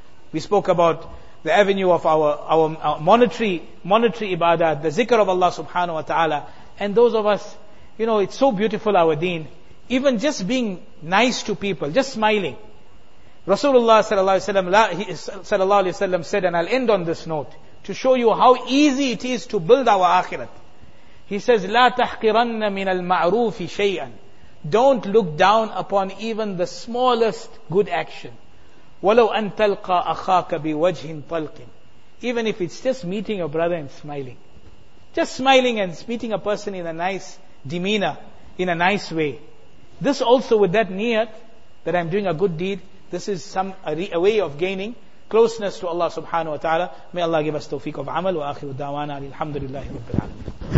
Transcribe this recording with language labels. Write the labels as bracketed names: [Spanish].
[English] We spoke about the avenue of our monetary ibadah, the zikr of Allah subhanahu wa ta'ala. And those of us, you know, it's so beautiful, our deen. Even just being nice to people, just smiling. Rasulullah sallallahu alayhi wa sallam said, and I'll end on this note, to show you how easy it is to build our akhirat. He says, [Arabic] لا تحقرن من المعروف شيئا. [English] Don't look down upon even the smallest good action. [Arabic] ولو أن تلقى أخاك بوجه طلق. [English] Even if it's just meeting a brother and smiling. Just smiling and meeting a person in a nice demeanor, in a nice way. This also with that niyat, that I'm doing a good deed, this is a way of gaining closeness to Allah subhanahu wa ta'ala. May Allah give us tawfiq of amal. [Arabic] Wa akhiru da'wana alhamdulillahi rabbil alamin.